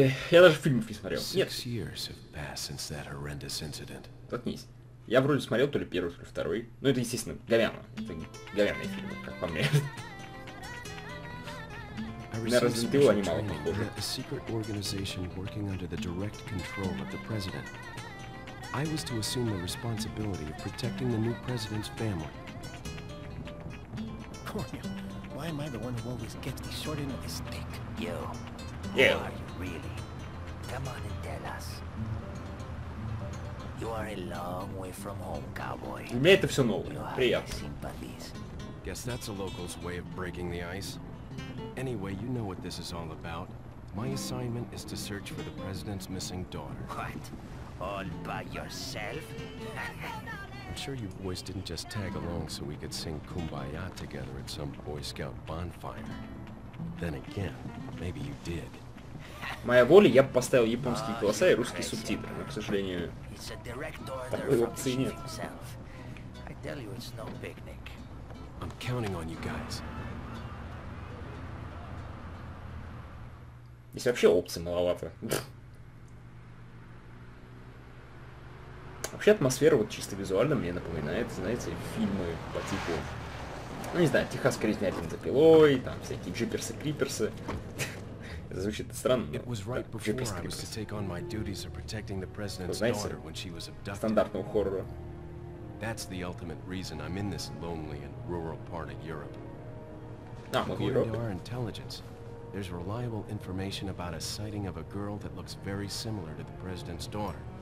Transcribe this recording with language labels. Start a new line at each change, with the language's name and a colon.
Russian: Я даже фильмов не смотрел. Нет.
English: 6 years have passed since that horrendous incident.
Russian: Заткнись. Я вроде смотрел то ли первый, то ли второй. Ну это естественно говяно. Это говяные фильмы, как по мне. На Resident Evil они мало похожи.
English: A secret organization working under the direct control of the president. I was to assume the responsibility of protecting the new president's family. Cornel, why am I the one who always gets the short end of the stick? You. Yeah. Who are you, really? Come on and tell us. You are a long way from home, cowboy.
Russian: Мне это все новое. Приятно.
English: Guess that's a local's way of breaking the ice. Anyway, you know what this is all about. My assignment is to search for the president's missing daughter. What? All by yourself? I'm sure you boys didn't just tag along so we could sing Kumbaya together at some Boy Scout bonfire. Then again, maybe you did.
Russian: Моя воля, я бы поставил японские голоса и русские субтитры, но, к сожалению, такой опции нет.
English: I tell you, it's no picnic. I'm counting on you guys.
Russian: Если вообще опций маловато. Вообще атмосфера вот чисто визуально мне напоминает, знаете, фильмы по типу Ну, не знаю, техасская резня этим запилой, там всякие джиперсы-криперсы. Звучит странно, но джиперсы-криперсы. Знаете, стандартного хоррора.
English: That's the ultimate reason I'm in this lonely and rural part of Europe. According to our intelligence, there's reliable information about a sighting of a girl that looks very similar to the president's daughter.